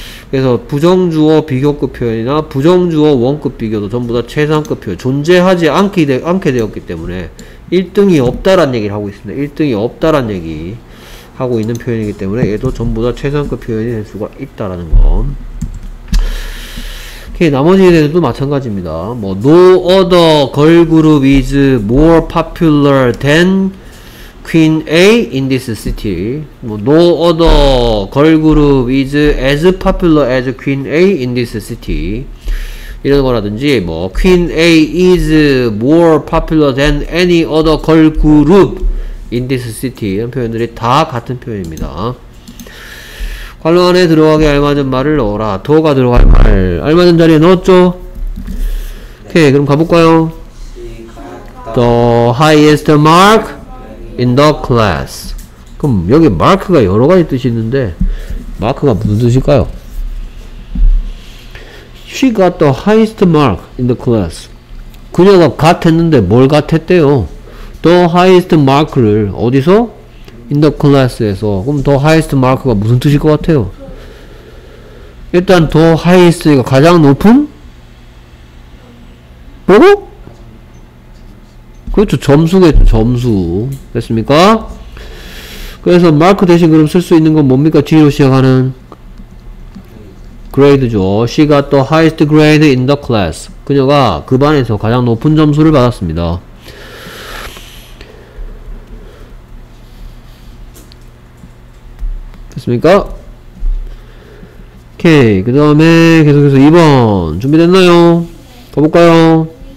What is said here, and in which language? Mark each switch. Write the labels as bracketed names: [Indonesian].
[Korean] 그래서 부정주어 비교급 표현이나 부정주어 원급 비교도 전부 다 최상급 표현. 존재하지 않게 되었기 때문에 1등이 없다란 얘기를 하고 있습니다. 1등이 없다란 얘기 하고 있는 표현이기 때문에 얘도 전부 다 최상급 표현이 될 수가 있다라는 거. 오케이, 나머지에 대해서도 마찬가지입니다. [English] 뭐 no other girl group is more popular than Queen A in this city. 뭐 no other girl group is as popular as Queen A in this city. [Korean] 이런 거라든지 [English] 뭐 Queen A is more popular than any other girl group in this city. [Korean] 이런 표현들이 다 같은 표현입니다. 관로 안에 들어가게 알맞은 말을 넣어라. 더가 들어갈 말. 알맞은 자리에 넣었죠? 오케이, 그럼 가볼까요? [English] The highest mark in the class. [Korean] 그럼 여기 마크가 여러 가지 뜻이 있는데, 마크가 무슨 뜻일까요? [English] She got the highest mark in the class. [Korean] 그녀가 got 했는데 뭘 got 했대요? [English] The highest mark [Korean] 를 어디서? [English] In the class에서. [Korean] 그럼 더 하이스트 마크가 무슨 뜻일 것 같아요? 일단 더 하이스트가 가장 높은? 뭐고? 그렇죠. 점수겠죠. 점수. 됐습니까? 그래서 마크 대신 그럼 쓸 수 있는 건 뭡니까? 뒤로 시작하는 grade죠. [English] She got the highest grade in the class. [Korean] 그녀가 그 반에서 가장 높은 점수를 받았습니다. 됐습니까? 오케이. 그 다음에 계속해서 2번 준비됐나요? 가볼까요?